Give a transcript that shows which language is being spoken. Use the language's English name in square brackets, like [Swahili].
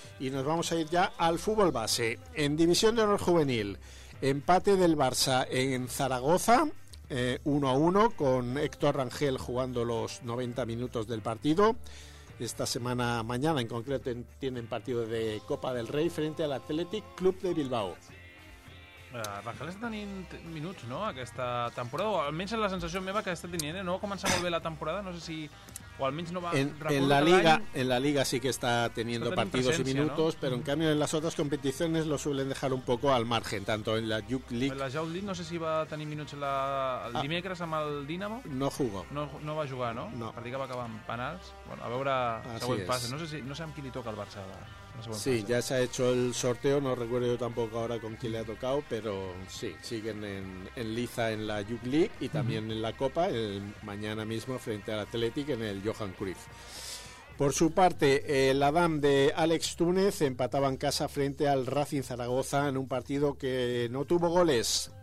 [Spanish] Y nos vamos a ir ya al fútbol base. En división de honor juvenil, empate del Barça en Zaragoza, 1-1, con Héctor Rangel jugando los 90 minutos del partido. Esta semana, mañana en concreto, tienen partido de Copa del Rey frente al Athletic Club de Bilbao. [Catalan] Rangel està tenint minuts, no?, aquesta temporada, o almenys és la sensació meva que està tenint, no va començar molt bé la temporada, no sé si, o almenys no va... En la Liga sí que està tenint partidos i minuts, no? Però en canvi en les altres competicions [Spanish] lo suelen [Catalan] deixar un poco al margen, tanto en la Youth League... La Youth League no sé si va tenir minuts el dimecres amb el Dinamo. [Spanish] No jugó. [Catalan] No va jugar, no? No. Per dir que va acabar amb penals. Bueno, a veure el següent pas. No sé amb qui li toca el Barça ara. [Spanish] Sí, ya se ha hecho el sorteo, no recuerdo yo tampoco ahora con quién le ha tocado, pero sí, siguen en liza en la Youth League y también en la Copa, mañana mismo frente al Athletic en el Johan Cruyff. Por su parte, el Adam de Alex Túnez empataba en casa frente al Racing Zaragoza en un partido que no tuvo goles.